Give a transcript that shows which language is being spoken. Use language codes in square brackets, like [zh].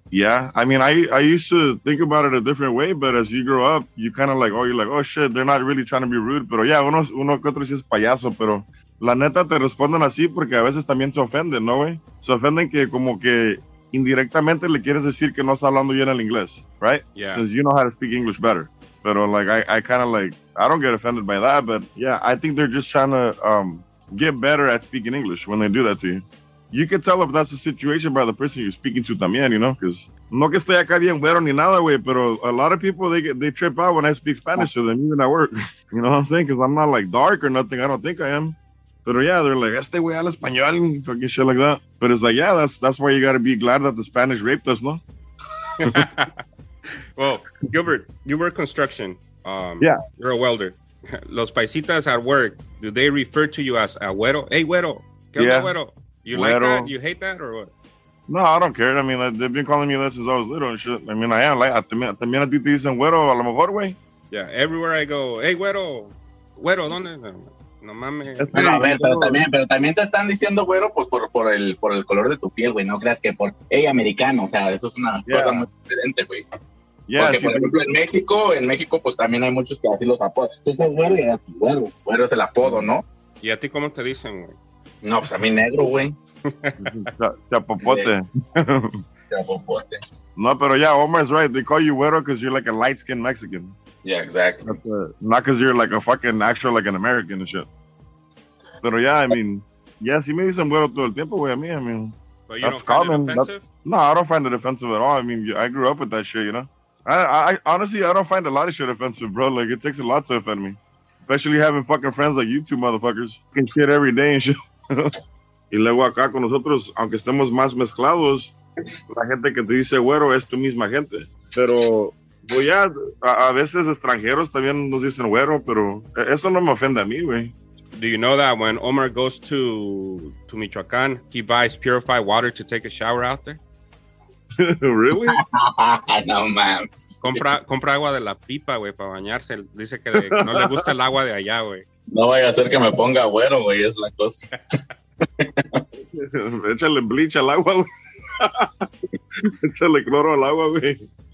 [en] Yeah, I mean, I used to think about it a different way, but as you grow up, you kind of like, oh, you're like, oh shit, they're not really trying to be rude, pero yeah, [es] uno que otro sí es payaso, pero la neta te responden así porque a veces también se ofenden, ¿no, güey? Se ofenden que como que indirectamente le quieres decir que no está hablando bien el inglés, right? [en] Yeah. Since you know how to speak English better. Pero, like, I kind of, like, I don't get offended by that, but, yeah, I think they're just trying to get better at speaking English when they do that to you. You can tell if that's the situation by the person you're speaking to también, you know, because [es] no que estoy acá bien güero ni nada, güey, pero [en] a lot of people, they trip out when I speak Spanish to them, even at work, you know what I'm saying? Because I'm not, like, dark or nothing, I don't think I am. Pero, yeah, they're like, [es] este güey al español, [en] fucking shit like that. But it's like, yeah, that's why you got to be glad that the Spanish raped us, no? Well, Gilbert, you work construction. Yeah. You're a welder. [es] Los paisitas [en] at work, do they refer to you as agüero? [es] Hey, güero. [en] Yeah. You like güero. That? You hate that or what? No, I don't care. I mean, like, they've been calling me that since I was little and shit. I mean, I am. [es] Like, también a ti te dicen güero a lo mejor, güey. [en] Yeah, everywhere I go, hey, güero. Güero, [es] ¿dónde? No mames. Bueno, a ver, pero también te están diciendo güero pues por el color de tu piel, güey. No creas que por, hey, americano. O sea, eso es una cosa muy diferente, güey. Yeah, porque, sí, por ejemplo, en México, pues también hay muchos que así los apodos. Tú estás güero y eres güero. Güero es el apodo, ¿no? ¿Y a ti cómo te dicen, güey? No, pues a mí negro, güey. Chapopote. Chapopote. No, pero ya, [en] Omar's right. They call you güero because you're like a light-skinned Mexican. Yeah, exactly. Not because you're like a fucking actual, like an American and shit. [es] Pero ya, [en] yeah, I mean, yeah, [es] si me dicen güero todo el tiempo, güey, a mí, [en] I mean. But you that's don't common. Find it offensive? No, I don't find it offensive at all. I mean, I grew up with that shit, you know? I honestly, I don't find a lot of shit offensive, bro. Like, it takes a lot to offend me. Especially having fucking friends like you two motherfuckers. Fucking shit every day and shit. [es] Y luego acá con nosotros, aunque estemos más mezclados, la gente que te dice güero es tu misma gente. Pero, pues ya, a veces extranjeros también nos dicen güero, pero eso no me ofende a mí, güey. [en] Do you know that when Omar goes to Michoacán, he buys purified water to take a shower out there? Really? No, man. [es] Compra agua de la pipa, güey, para bañarse. Dice que no le gusta el agua de allá, güey. No vaya a ser que me ponga güero, güey, es la cosa. Échale bleach al agua, güey. Échale cloro al agua, güey.